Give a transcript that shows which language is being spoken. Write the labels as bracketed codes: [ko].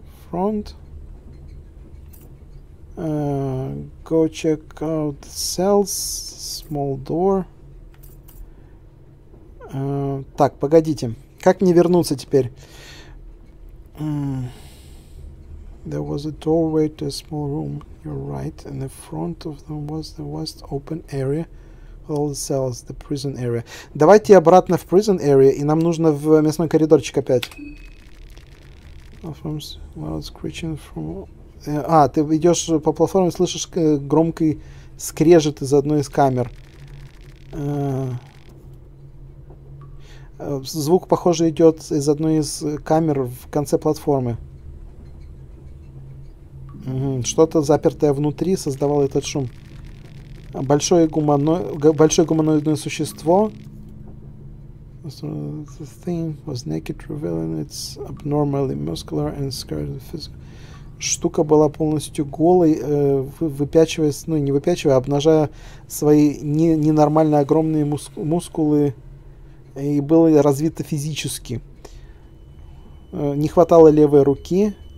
[en] Front. Go check out cells. Small door. [ru] Так, погодите. Как мне вернуться теперь? [en] There was a doorway to a small room. You're right. In the front of them was the west open area. All the cells, the prison area. [ru] Давайте обратно в prison area, и нам нужно в мясной коридорчик опять. А, ты идешь по платформе, слышишь громкий скрежет из одной из камер. Звук, похоже, идет из одной из камер в конце платформы. Что-то запертое внутри создавало этот шум. Большое гуманоидное существо. [en] So the thing was naked, revealing its abnormally muscular and scarred physical. [ru] Штука была полностью голой, выпячиваясь, ну не выпячивая, а обнажая свои ненормально огромные мускулы и было развито физически. Не хватало левой руки.